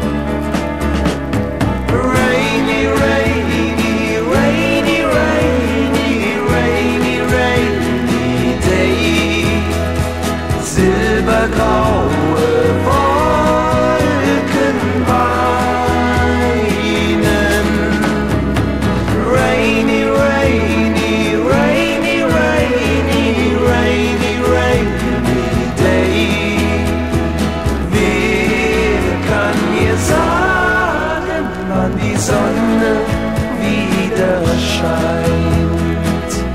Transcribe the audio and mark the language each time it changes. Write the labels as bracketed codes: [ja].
[en] Rainy, rainy, rainy, rainy, rainy, rainy day. [de] Silbergraue Wolken weinen. [en] Rainy, rainy, rainy, rainy, rainy, rainy day. [de] Wer kann mir sagen, wann die Sonne wieder scheint?